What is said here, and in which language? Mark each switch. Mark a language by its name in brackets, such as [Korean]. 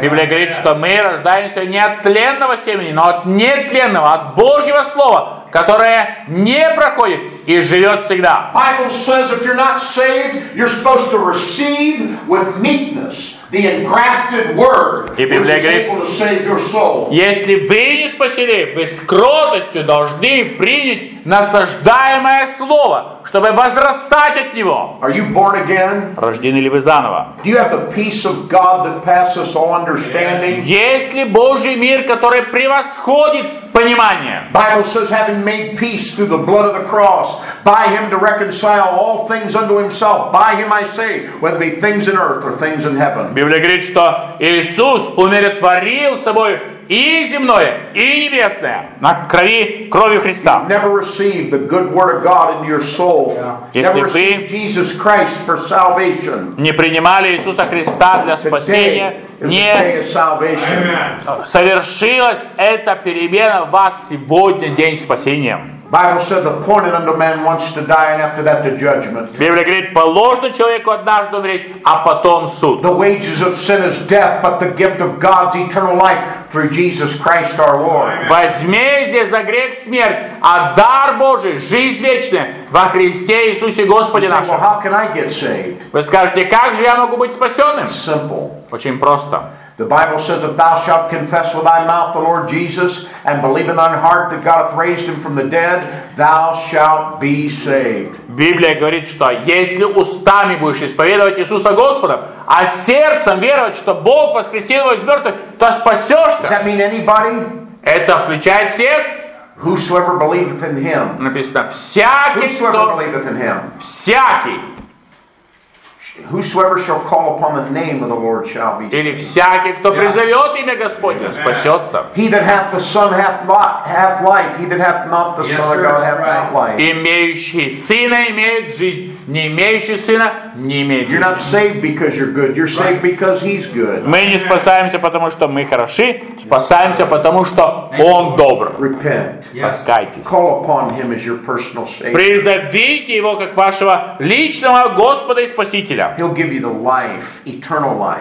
[Russian] Библия говорит, что мы рождаемся не от тленного семени, но от нетленного, от Божьего слова, которое не проходит и живет всегда. [English] Bible says, if you're not saved, you're supposed to receive with meekness the engrafted word, which is able to save your soul. [Russian] Если вы не спасены, вы с кротостью должны принять насаждаемое слово, чтобы возрастать от него. [English] Are you born again? [Russian] Рождены ли вы заново? [English] Do you have the peace of God that passes all understanding? [Russian] Есть ли Божий мир, который превосходит понимание? [English] Bible says, having made peace through the blood of the cross, by Him to reconcile all things unto Himself. By Him I say, whether it be things in earth or things in heaven. [Russian] Библия говорит, что Иисус умиротворил собой и земное, и небесное на крови, кровью Христа. [English] You've never received the good word of God into your soul. Never received Jesus Christ for salvation. [Russian] Не принимали Иисуса Христа для спасения. Не совершилась эта перемена в вас сегодня, день спасения. [English] Bible said, appointed unto man once to die, and after that the judgment. [Russian] Библия говорит, положено человеку однажды умереть, а потом суд. [English] The wages of sin is death, but the gift of God's eternal life through Jesus Christ our Lord. [Russian] Возмездие за грех смерть, а дар Божий жизнь вечная во Христе Иисусе Господе нашем. [English] Well, how can I get saved? [Russian] Вы скажете, как же я могу быть спасенным? [English] Simple. [Russian] Очень просто. [English] The Bible says, if thou shalt confess with thy mouth the Lord Jesus, and believe in thine heart that God hath raised him from the dead, thou shalt be saved. [Russian] Библия говорит, что если устами будешь исповедовать Иисуса Господом, а сердцем веровать, что Бог воскресил его из мертвых, то спасешься. [English] Does that mean anybody? [Russian] Это включает всех. [English] Whosoever believeth in him. [Russian] Написано, всякий, [English] whosoever believeth in him. [Russian] Всякий. [English] Whosoever shall call upon the name of the Lord shall be saved. [Russian] Или всякий, кто призовет имя Господне, спасется. [English] He that hath the Son hath not hath life. He that hath not the Son of God hath not life. [Russian] Имеющий сына имеет жизнь, не имеющий сына не имеет жизни. [English] You're not saved because you're good. You're saved because He's good. [Russian] Мы не спасаемся потому что мы хороши, спасаемся потому что Он добр. [English] Repent. [Russian] Раскайтесь. [English] Call upon Him as your personal Savior. [Russian] Призовите его как вашего личного Господа и Спасителя. [English] He'll give you the life, eternal life.